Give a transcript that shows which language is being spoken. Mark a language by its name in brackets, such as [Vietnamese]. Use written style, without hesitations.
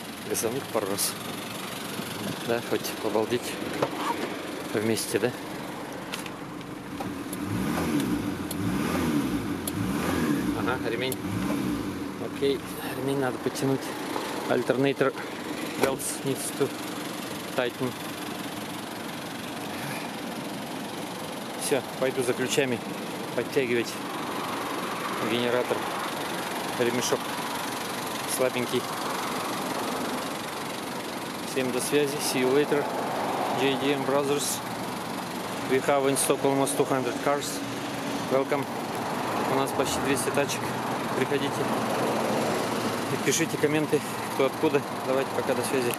[Russian] За них пару раз. Да, хоть побалдеть вместе, да? Ага, ремень. Окей, ремень надо потянуть. [English] Alternator belts needs to tighten. [Russian] Все, пойду за ключами подтягивать генератор. Ремешок слабенький. Всем до связи. [English] See you later. JDM Brothers. We have in stock almost 200 cars. [Russian] Welcome. У нас почти 200 тачек. Приходите. И пишите комменты, кто откуда. Давайте пока, до связи.